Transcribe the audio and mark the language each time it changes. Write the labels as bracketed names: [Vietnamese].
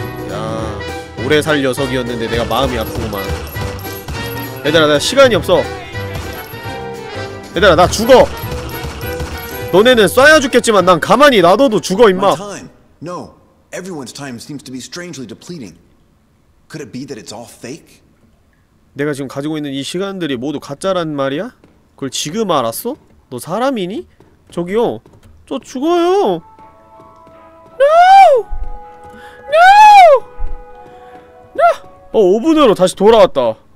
[Korean] 야, 오래 살 녀석이었는데 내가 마음이 아프구만. 얘들아, 나 시간이 없어. 얘들아, 나 죽어. 너네는 쏴야 죽겠지만 난 가만히 놔둬도 죽어 임마. [English] No, everyone's time seems to be strangely depleting. Could it be that it's all fake? [Korean] 내가 지금 가지고 있는 이 시간들이 모두 가짜란 말이야? 그걸 지금 알았어? 너 사람이니? 저기요, 저 죽어요. [English] No! No! No! [Korean] 어, 5분으로 다시 돌아왔다.